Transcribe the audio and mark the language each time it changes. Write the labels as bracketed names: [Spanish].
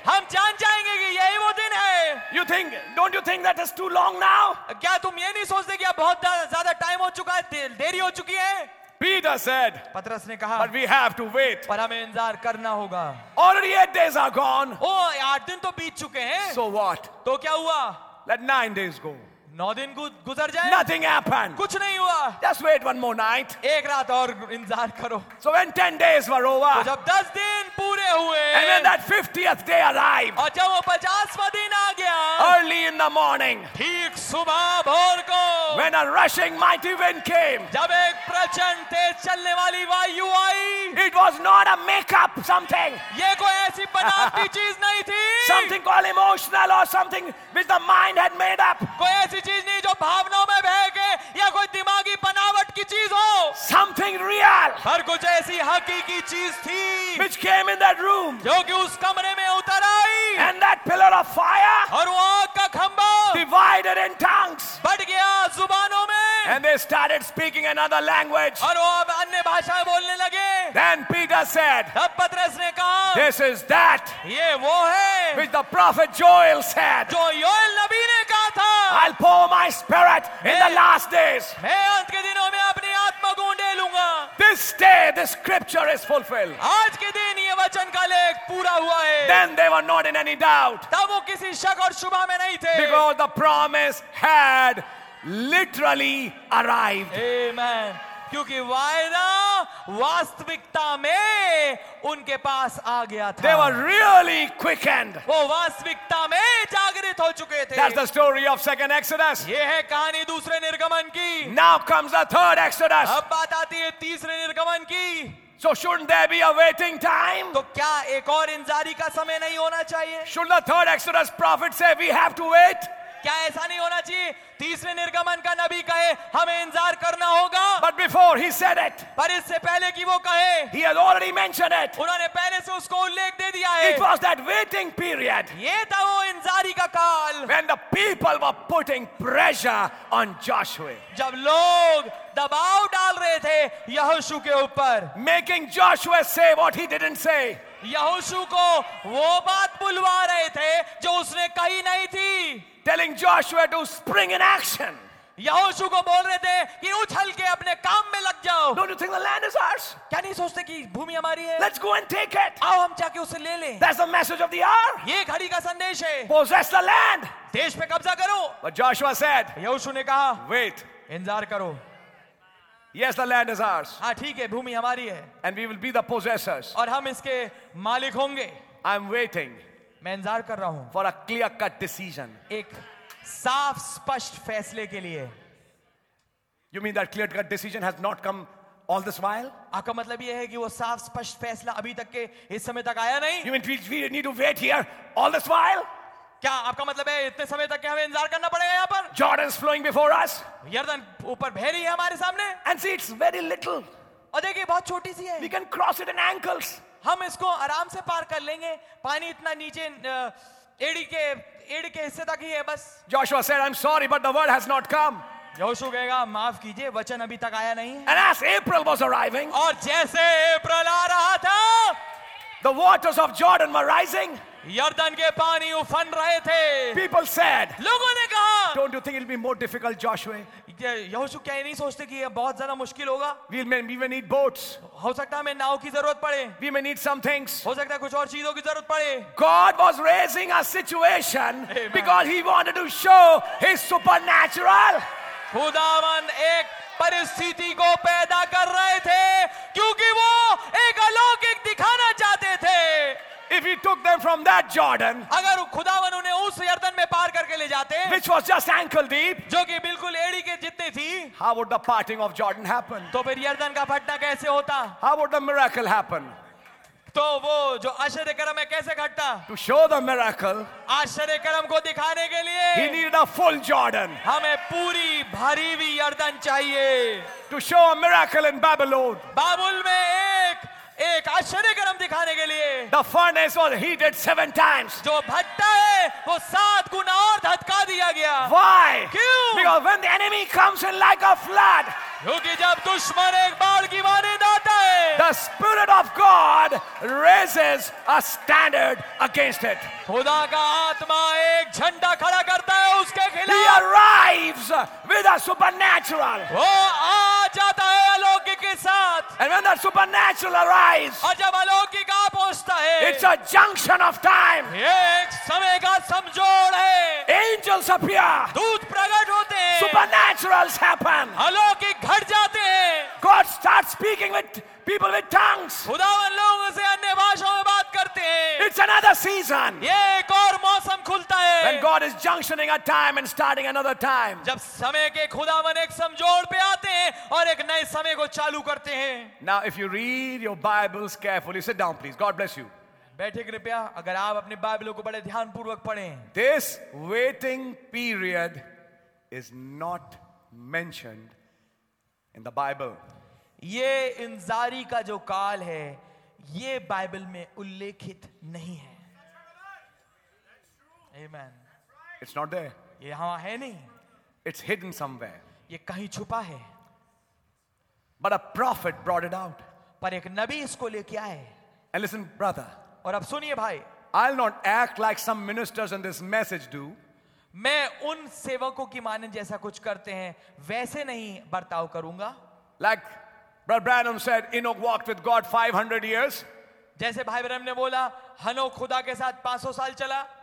[Hindi] हम जान जाएंगे कि यही वो दिन है. [English] You think, don't you think that is too long now? [Hindi] क्या तुम ये नहीं सोचते कि बहुत ज़्यादा time हो चुका है, देरी हो चुकी है? [English] Peter said, [Hindi] पत्रस ने कहा, [English] but we have to wait. [Hindi] पर हमें इंतजार करना होगा. [English] Already 8 days are gone. [Hindi] ओ, 8 दिन तो बीत चुके हैं. [English] So what? [Hindi] तो क्या हुआ? [English] Let 9 days go. [Hindi] 9 दिन गुजर जाए. [English] Nothing happened. [Hindi] कुछ नहीं हुआ. [English] Just wait one more night. [Hindi] एक रात और इंतजार करो. [English] So when 10 days were over. [Hindi] तो जब 10 दिन पूरे हुए. [English] And when that 50th day arrived. [Hindi] और जब वो 50वां दिन आ गया. [English] Early in the morning. [Hindi] ठीक सुबह भोर को. [English] When a rushing mighty wind came. [Hindi] जब एक प्रचंड तेज चलने वाली वायु आई. [English] It was not a makeup something. [Hindi] ये कोई ऐसी बनावटी चीज नहीं थी. [English] Something called emotional or something which the mind had made up. [Hindi] कोई ऐसी चीज नहीं जो भावनाओं में बह के या कोई दिमागी बनावट की चीज हो. [English] Something real. [Hindi] पर कुछ ऐसी हकीकी चीज थी. [English] Which came in that room. [Hindi] जो कि उस कमरे में उतर आई. [English] And that pillar of fire. [Hindi] और वो आग का खंभा. [English] Divided in tongues. [Hindi] बढ़ गया जुबानों में. [English] And they started speaking another language. [Hindi] और वो अब अन्य भाषाएं बोलने लगे. [English] Then Peter said. [Hindi] तब पत्रस ने कहा. [English] This is that. [Hindi] ये वो है. [English] Which the prophet Joel said. [Hindi] जो योएल नबी ने कहा था. [English] I'll pour my spirit in the last days. [Hindi] मैं अंत के दिनों में अपनी आत्मा को ढेर लूँगा. [English] This day, this scripture is fulfilled. [Hindi] आज के दिन ये वचन का लेख पूरा हुआ है. [English] Then they were not in any doubt. [Hindi] तब वो किसी शक और शुभा में नहीं थे. [English] Because the promise had literally arrived. Amen. [Hindi] क्योंकि वायदा वास्तविकता में उनके पास आ गया था. [English] They were really quickened. [Hindi] वो वास्तविकता में जागृत हो चुके थे. [English] That's the story of second Exodus. [Hindi] ये है कहानी दूसरे निर्गमन की. [English] Now comes the third Exodus. [Hindi] अब बात आती है तीसरे निर्गमन की. [English] So shouldn't there be a waiting time? [Hindi] तो क्या एक और इंतजारी का समय नहीं होना चाहिए? [English] Shouldn't the third Exodus prophet say we have to wait? [Hindi] क्या ऐसा नहीं होना चाहिए तीसरे निर्गमन का नबी कहे हमें इंतजार करना होगा. [English] But before he said it, [Hindi] पर इससे पहले कि वो कहे, [English] he has already mentioned it, [Hindi] उन्होंने पहले से उसको उल्लेख दे दिया है. [English] It was that waiting period, [Hindi] ये था वो इंतजारी का काल. [English] When the people were putting pressure on Joshua, [Hindi] जब लोग दबाव डाल रहे थे यहोशू के ऊपर. [English] Making Joshua say what he didn't say, [Hindi] यहोशू को वो बात बुलवा रहे थे जो उसने कही नहीं थी. [English] Telling Joshua to spring in action. [Hindi] यहोशू को बोल रहे थे कि उछल के अपने काम में लग जाओ. [English] Don't you think the land is ours? [Hindi] क्या नहीं सोचते कि भूमि हमारी है? [English] Let's go and take it. [Hindi] आओ हम जाके उसे ले लें. [English] That's the message of the hour. [Hindi] ये घड़ी का संदेश है. [English] Possess the land. [Hindi] देश पे कब्जा करो. [English] But Joshua said. [Hindi] यहोशू ने कहा. [English] Wait. [Hindi] इंतजार करो. [English] Yes, the land is ours. [Hindi] हाँ ठीक है भूमि हमारी है. [English] And we will be the possessors. [Hindi] और हम इसके मालिक होंगे. [English] I'm waiting. [Hindi] मैं इंतजार कर रहा हूं. [English] For a clear cut decision. [Hindi] एक साफ स्पष्ट फैसले के लिए. [English] You mean that clear cut decision has not come all this while? [Hindi] आपका मतलब यह है कि वो साफ स्पष्ट फैसला अभी तक के इस समय तक आया नहीं? [English] You mean we need to wait here all this while? [Hindi] क्या आपका मतलब है इतने समय तक के हमें इंतजार करना पड़ेगा यहाँ पर? [English] Jordan is flowing before us. [Hindi] यर्दन ऊपर बह रही है हमारे सामने. [English] And see, it's very little. [Hindi] और देखिए बहुत छोटी सी है. [English] We can cross it in ankles. [Hindi] हम इसको आराम से पार कर लेंगे. पानी इतना नीचे एड़ी के हिस्से तक ही है बस. [English] Joshua said, I'm sorry, but the word has not come. [Hindi] यहोशू कहेगा माफ कीजिए वचन अभी तक आया नहीं. [English] And as April was arriving, [Hindi] और जैसे अप्रैल आ रहा था, [English] the waters of Jordan were rising. [Hindi] यर्दन के पानी उफन रहे थे. [English] People said, [Hindi] लोगों ने कहा, [English] don't you think it'll be more difficult, Joshua? [Hindi] यहोशू क्या नहीं सोचते कि ये बहुत ज़्यादा मुश्किल होगा? [English] We may need boats. [Hindi] हो सकता है हमें नाव की ज़रूरत पड़े. [English] We may need some things. [Hindi] हो सकता है कुछ और चीज़ों की ज़रूरत पड़े. [English] God was raising a situation because He wanted to show His supernatural. [Hindi] खुदावन एक परिस्थिति को पैदा कर रहे थे क्योंकि वो एक अलौकिक दिखाना चाहते थे. [English] If he took them from that Jordan, [Hindi] अगर खुदावन उन्हें उस यर्दन में पार करके ले जाते, [English] which was just ankle deep, [Hindi] जो कि बिल्कुल एड़ी के जितनी थी, [English] how would the parting of Jordan happen? [Hindi] तो फिर यर्दन का फटना कैसे होता? [English] How would the miracle happen? [Hindi] तो वो जो आश्चर्यकर्म है कैसे घटता? [English] To show the miracle, [Hindi] आश्चर्यकर्म को दिखाने के लिए, [English] he needed a full Jordan. [Hindi] हमें पूरी भरी हुई यर्दन चाहिए. [English] To show a miracle in Babylon, [Hindi] बाबुल में एक ए एक आश्चर्य गर्म दिखाने के लिए [English] The furnace was heated 7 times. [Hindi] जो भट्टा है वो 7 गुना और धक्का दिया गया. [English] Why? [Hindi] क्यों? [English] Because when the enemy comes in like a flood. [Hindi] क्योंकि जब दुश्मन एक बाढ़ की मारे आता है. [English] The spirit of God raises a standard against it. [Hindi] खुदा का आत्मा एक झंडा खड़ा करता है उसके खिलाफ. [English] He arrives with a supernatural. [Hindi] वो आ जाता है अलौकिक के साथ. [English] And when that supernatural arrives, [Hindi] और जब अलौकिक आ पहुंचता है, [English] it's a junction of time. [Hindi] ये एक समय का समझौड़ है. [English] Angels appear. [Hindi] दूत प्रकट होते हैं. [English] Supernaturals happen. [Hindi] अलौकिक घट जाते हैं. [English] God starts speaking with people with tongues. [Hindi] खुदा उन लोगों से अन्य भाषाओं में बात करते हैं. [English] It's another season. [Hindi] ये एक और मौसम खुलता है. [English] When God is junctioning a time and starting another time. [Hindi] जब समय के खुदावन एक समझौड़ पे आते हैं और एक नए समय को चालू करते हैं. [English] Now if you read your Bibles carefully, sit down please. God bless you. [Hindi] बैठे कृपया. अगर आप अपने बाइबलों को बड़े ध्यान पूर्वक पढ़ें. [English] This waiting period is not mentioned in the Bible. [Hindi] ये इंतजारी का जो काल है ये बाइबल में उल्लेखित नहीं है. [English] Amen. It's not there. [Hindi] ये यहाँ है नहीं. [English] It's hidden somewhere. [Hindi] ये कहीं छुपा है. [English] But a prophet brought it out. [Hindi] पर एक नबी इसको लेके आए. [English] And listen, brother. [Hindi] और अब सुनिए भाई. [English] I'll not act like some ministers in this message do. [Hindi] मैं उन सेवकों की माने जैसा कुछ करते हैं वैसे नहीं बर्ताव करूंगा. [English] Like Brother Branham said, Enoch walked with God 500 years. [Hindi] जैसे भाई ब्रह्म ने बोला हनोक खुदा के साथ 500 साल चला.